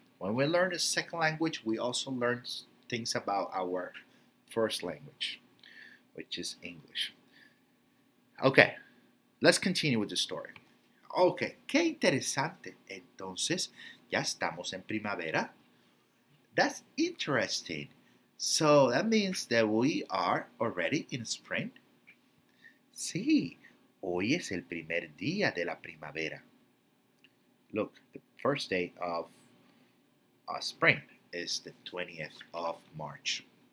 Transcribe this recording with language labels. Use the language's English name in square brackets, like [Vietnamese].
[English] When we learn a second language, we also learn things about our first language, which is English. Okay, let's continue with the story. Okay, [Spanish] qué interesante. Entonces, ya estamos en primavera. [English] That's interesting. So that means that we are already in spring. [Spanish] Sí, hoy es el primer día de la primavera. [English] Look, the first day of spring is the 20th of March.